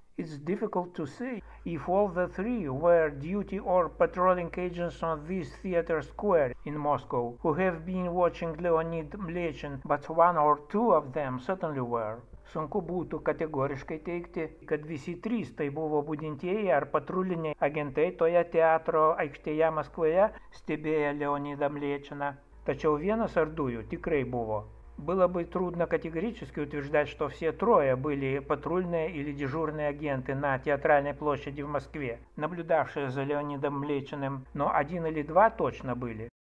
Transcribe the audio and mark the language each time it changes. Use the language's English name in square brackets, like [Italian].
[English] It's difficult to say if all the three were duty or patrolling agents on this theater square in Moscow who have been watching Leonid Mlechin, but one or two of them certainly were. [Lithuanian] Sunku būtų kategoriškai teikti, kad visi trys tai buvo budintieji ar patruliniai agentai toje teatro aikštėje Maskvoje stebėję Leonidą Mlečiną. Tačiau vienas ar dujų tikrai buvo. [Russian] Было бы трудно категорически утверждать, что все трое были патрульные или дежурные агенты на театральной площади в Москве, наблюдавшие за Леонидом Млечиным, но один или два точно были.